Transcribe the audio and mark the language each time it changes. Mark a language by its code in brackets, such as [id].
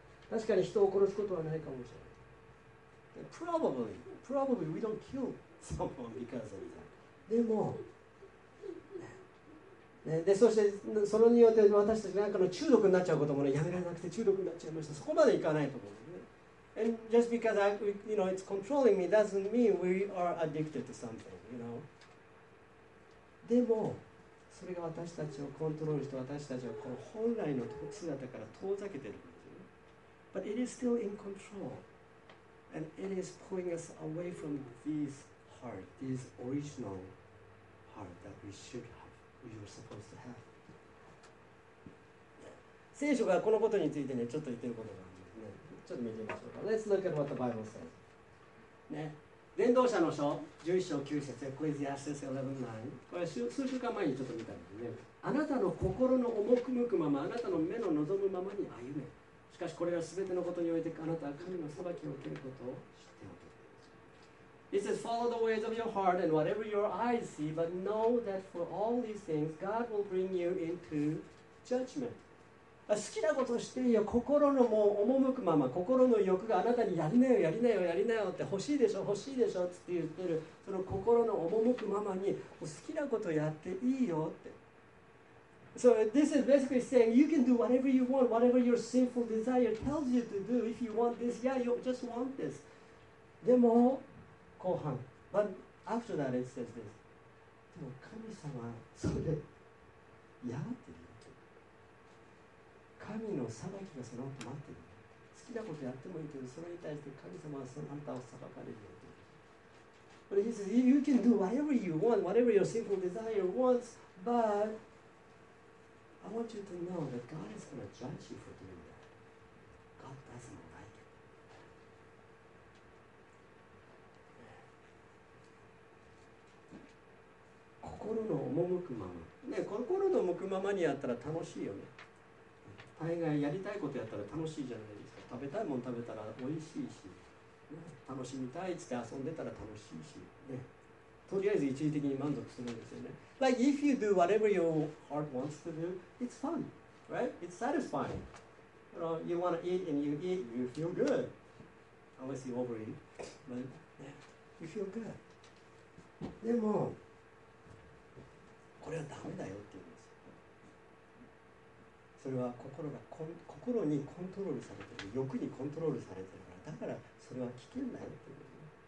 [ja] 確かに人を殺すことはないかもしれない。 [en] Probably we don't kill someone because of that. [ja] でも、ね、でそしてそれによって私たちなんかの中毒になっちゃうこともね、やめられなくて中毒になっちゃいました。そこまでいかないと思うんですね。 [en] And just because you know it's controlling me doesn't mean we are addicted to something, you know. [ja] でもそれが私たちをコントロールして私たちをこの本来の姿から遠ざけてるんですよ。 [en] But it is still in control. And it is pulling us away from this heart, this original heart that we should have, we are supposed to have. [ja] 聖書がこのことについてね、ちょっと言ってることがあるんですね。ちょっと見てみましょうか。 [en] Let's look at what the Bible says. ね、伝道者の書、11章9節、Ecclesiastes 11:9。 [ja] これ数週間前にちょっと見たんですね。あなたの心の赴くまま、あなたの目の望むままに歩め。しかしこれら全てのことにおいてあなたは神の裁きを受けることを知っておく。 [en] It says, follow the ways of your heart and whatever your eyes see, but know that for all these things, God will bring you into judgment. [ja] 好きなことをしていいよ、心のもう赴くまま、心の欲があなたにやりなよ、やりなよ、やりなよって欲しいでしょ、欲しいでしょって言ってる、その心の赴くままに、好きなことやっていいよって。 [en] So this is basically saying you can do whatever you want, whatever your sinful desire tells you to do. If you want this, yeah, you just want this. [ja] でも、後半。 [en] But after that it says this. [ja] でも神様、それ、やってる。神の裁きがそのあと待ってる。好きなことやってもいいけど、それに対して神様はそのあんたを裁かれるよ。 [en] But he says, you can do whatever you want, whatever your sinful desire wants, but... I want you to know that God is going to judge you for doing that. God doesn't like it. Yeah. [ja] 心の赴くまま、ね、心の赴くままにやったら楽しいよね。大概やりたいことやったら楽しいじゃないですか。食べたいもん食べたら美味しいし、ね、楽しみたいって遊んでたら楽しいし、ね、とりあえず一時的に満足するんですよね。 [en] Like if you do whatever your heart wants to do, it's fun, right? It's satisfying. You know, you want to eat and you eat, you feel good. Unless you overeat, but you feel good. [ja] でも、これはダメだよって言うんですよ。それは心にコントロールされてる、欲にコントロールされてるから、だからそれは危険だよって言うんですよ。